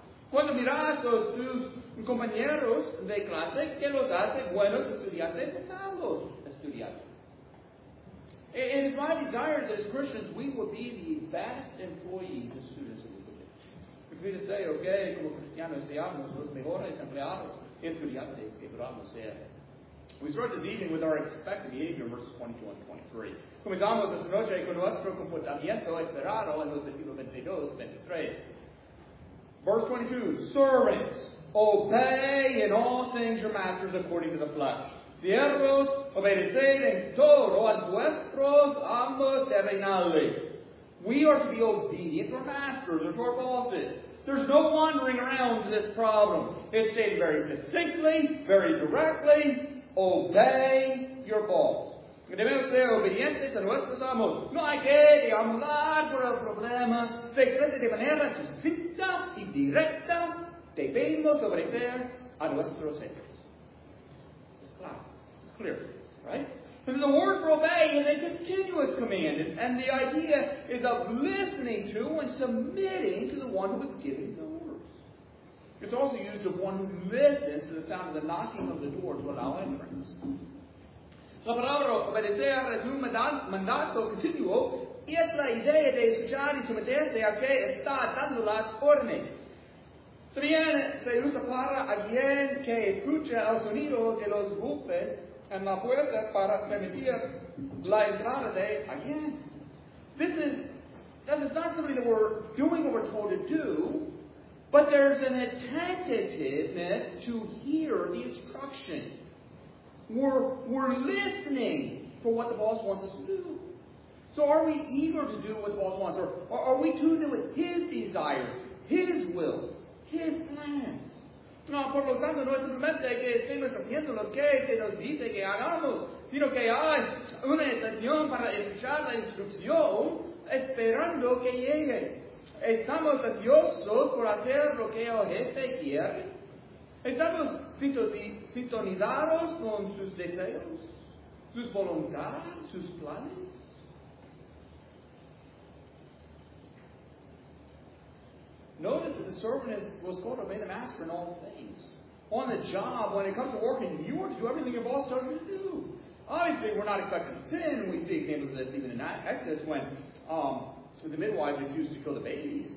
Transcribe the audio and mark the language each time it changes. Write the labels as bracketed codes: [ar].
[es] Cuando miras a tus compañeros de clase, ¿qué los hace buenos estudiantes o malos estudiantes? [en] And it's my desire that as Christians we will be the best employees as students in the world. If we say, okay, [es] como cristianos seamos los mejores empleados, estudiantes que podamos ser. [en] We start this evening with our expected behavior, verses 22 and 23. [es] Comenzamos esta noche con nuestro comportamiento esperado en los versículos 22 y 23. [en] Verse 22, servants, Obey in all things your masters according to the flesh. [es] Siervos, obedeced en todo a vuestros amos terrenales. [en] We are to be obedient to our masters or to our bosses. There's no wandering around this problem. It's stated very succinctly, very directly. Obey your boss. [es] Debemos ser obedientes a nuestros amos. No hay que deambular por el problema. Se expresa de manera sucinta y directa. Debemos obedecer a nuestros jefes. [en] It's clear. It's clear, right? And the word for obey is a continuous command, and the idea is of listening to and submitting to the one who is giving the orders. It's also used of one who listens to the sound of the knocking of the door to allow entrance. [es] La palabra obedecer es un mandato continuo, y es la idea de escuchar y someterse a que está dando las órdenes. También se usa para alguien que escucha el sonido de los golpes en la puerta para permitir la entrada de alguien. [en] This is not something that we're doing what we're told to do, but there's an attentiveness to hear the instruction. We're listening for what the boss wants us to do. So are we eager to do what the boss wants, or are we tuned in with his desires, his will, his plans? [es] No, por lo tanto, no es simplemente que estemos haciendo lo que se nos dice que hagamos, sino que hay una intención para escuchar la instrucción esperando que llegue. ¿Estamos ansiosos por hacer lo que el jefe quiere? ¿Estamos sintonizados con sus deseos, sus voluntades, sus planes? [en] Notice that the servant was called to obey the master in all things. On the job, when it comes to working, you are to do everything your boss tells you to do. Obviously, we're not expecting sin. We see examples of this even in Exodus when the midwives refused to kill the babies.